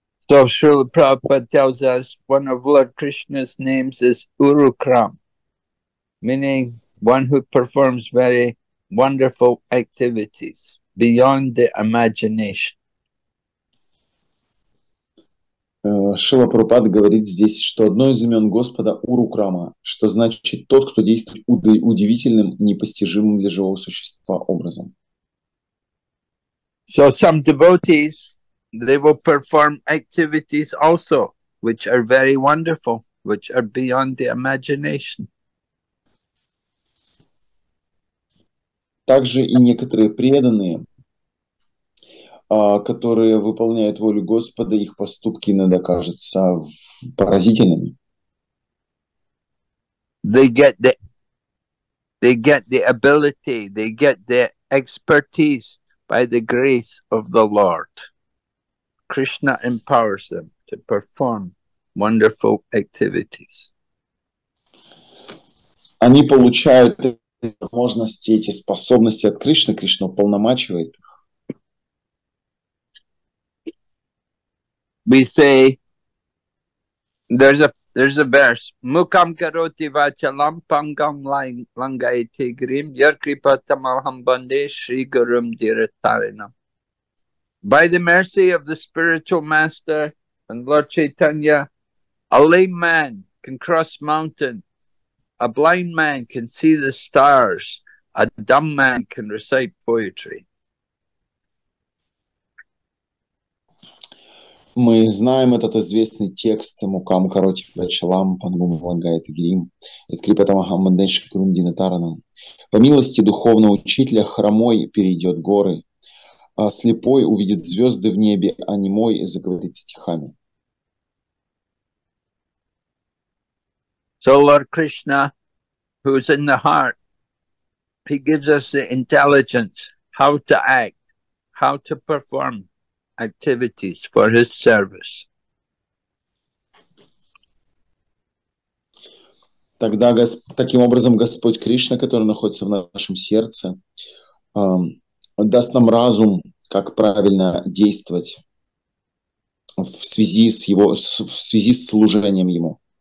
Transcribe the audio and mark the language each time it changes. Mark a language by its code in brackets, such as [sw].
[en] So Srila Prabhupada tells us one of Lord Krishna's names is Urukram, meaning one who performs very wonderful activities beyond the imagination. [ru] Шрила Прабхупада говорит здесь, что одно из имен Господа Урукрама, что значит тот, кто действует удивительным, непостижимым для живого существа образом. [en] So some devotees, they will perform activities also, which are very wonderful, which are beyond the imagination. [ru] Также и некоторые преданные, которые выполняют волю Господа, их поступки иногда кажутся поразительными. [en] They get the ability, they get the expertise by the grace of the Lord. Krishna empowers them to perform wonderful activities. [ru] Они получают возможности, эти способности от Кришны. Кришна уполномачивает их. [en] We say there's a verse: [sa] Mukam karoti vachalam pangam langayate grim yar kripa tamaham bande shri gurum diratarinam. [en] By the mercy of the spiritual master and Lord Chaitanya, a lame man can cross mountain, a blind man can see the stars, a dumb man can recite poetry. [ru] Мы знаем этот известный текст [sa] «Мукам короче вачалам пангум влагает грим» [ru] от [sa] Крипата Махамбандеши Курундина Тарана. [ru] По милости духовного учителя хромой перейдет горы, а слепой увидит звезды в небе, а немой заговорит стихами. [en] So Lord Krishna, who's in the heart, he gives us the intelligence how to act, how to perform activities for his service. [ru] Тогда таким образом Господь Кришна, который находится в нашем сердце, даст нам разум, как правильно действовать в связи с служением Ему.